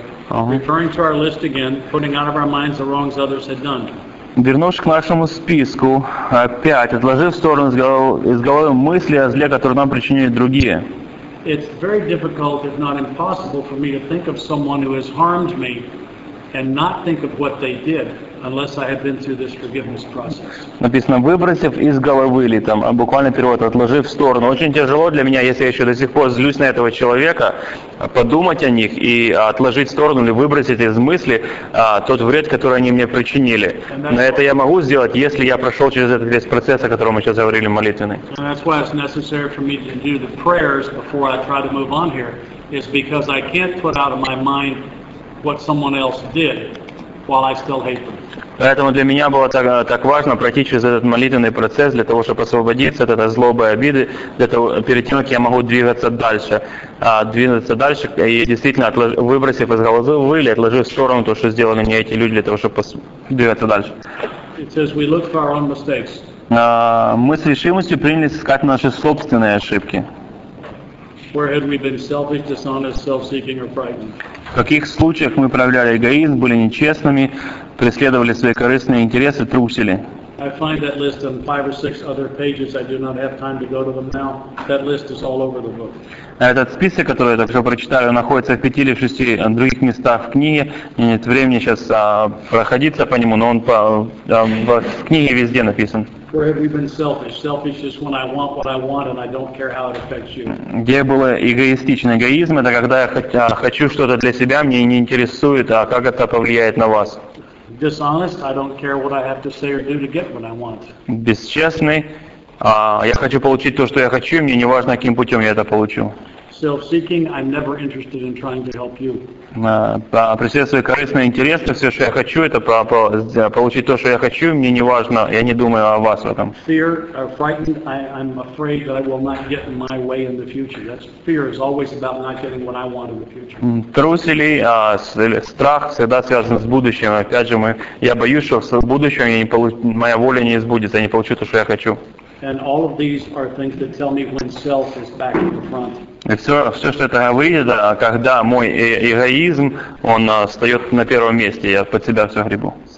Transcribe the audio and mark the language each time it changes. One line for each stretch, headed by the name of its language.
English: Referring to our list again, putting out of our minds the wrongs others had done.
Russian: Вернувшись к нашему списку, опять, отложив в сторону из головы мысли о зле, которое нам причинили другие.
English: It's very difficult, if not impossible, for me to think of someone who has harmed me and not think of what they did, unless I have been through this forgiveness process.
Russian: Написано, выбросив из головы, или там, буквально перевод, отложив в сторону. Очень тяжело для меня, если я еще до сих пор злюсь на этого человека, подумать о них и отложить в сторону, или выбросить из мысли тот вред, который они мне причинили. Но это я могу сделать, если я прошел через этот весь процесс, о котором мы сейчас говорили, молитвенный.
English: And that's why it's necessary for me to do the prayers before I try to move on here, is because I can't put out of my mind what someone else did while I still hate them.
Russian: Поэтому для меня было так важно пройти через этот молитвенный процесс для того, чтобы освободиться от этой злобы и обиды, для того, перед тем, как я могу двигаться дальше и действительно выбросив из головы или отложив в сторону то, что сделали мне эти люди, для того, чтобы двигаться дальше.
English: It says we look for our own mistakes.
Russian: Мы с решимостью принялись искать наши собственные ошибки.
English: Where had we been selfish, dishonest, self-seeking, or frightened?
Russian: В каких случаях мы проявляли эгоизм, были нечестными, преследовали свои корыстные интересы, трусили?
English: I find that list on five or six other pages. I do not have time to go to them now. That list is all over the book.
Russian: Этот список, который я только прочитал, находится в пяти или шести других местах в книге. Нет времени сейчас проходиться по нему, но он в книге везде написан.
English: Where have we been selfish? Selfish is when I want what I want and I don't care how it affects you.
Russian: Где было эгоистичный эгоизм? Это когда я хочу что-то для себя, мне не интересует, а как это повлияет на вас?
English: Dishonest, I don't care what I have to say or do to get what I want.
Russian: Бесчестный, я хочу получить то, что я хочу, мне не важно, каким путем я это получу.
English: Self-seeking, I'm never interested in trying to help you.
Russian: Преследуя корыстные интересы, все, что я хочу, это получить то, что я хочу, мне не важно, я не думаю о вас в этом.
English: Fear, frightened, I'm afraid that I will not get my way in the future. That's fear is always about not getting what I want in the future.
Russian: Трусили, страх всегда связан с будущим. Опять же, я боюсь, что в будущем моя воля не сбудется, я не получу то, что я хочу. And all of these are things that tell me when self is back in the front. И все, что это говорит, да, когда мой эгоизм, он встает на первом месте, я под себя все гребу.